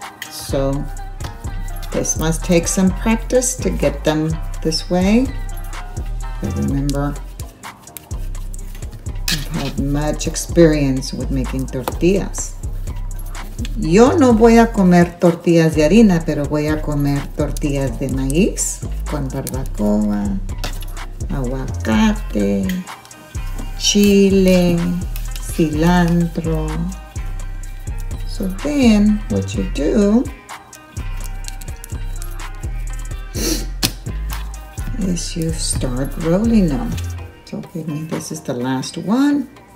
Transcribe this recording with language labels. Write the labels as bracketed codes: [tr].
[en] So this must take some practice to get them this way. But remember, I've had much experience with making tortillas. [es] Yo no voy a comer tortillas de harina, pero voy a comer tortillas de maíz con barbacoa, aguacate, chile, cilantro. [en] So then what you do, you start rolling them. So give me, this is the last one.